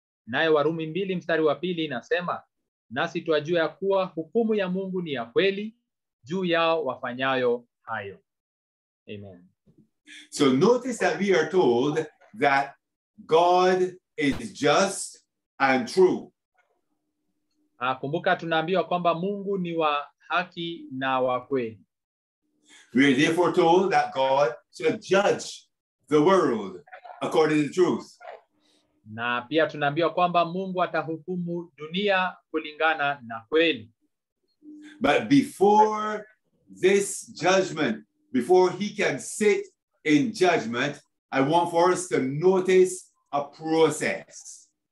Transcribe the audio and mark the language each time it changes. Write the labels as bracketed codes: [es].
[sw] Naye Warumi 2 mstari wa 2 inasema nasi twajua ya kuwa hukumu ya Mungu ni ya kweli juu yao wafanyayo hayo. Amen. [en] So notice that we are told that God is just and true. [sw] Kumbuka tunaambiwa kwamba Mungu ni wa haki na wa kweli. [en] We are therefore told that God should judge the world according to the truth. [sw] Na pia tunaambiwa kwamba Mungu atahukumu dunia kulingana na kweli. [en] But before this judgment, before he can sit in judgment, I want for us to notice a process.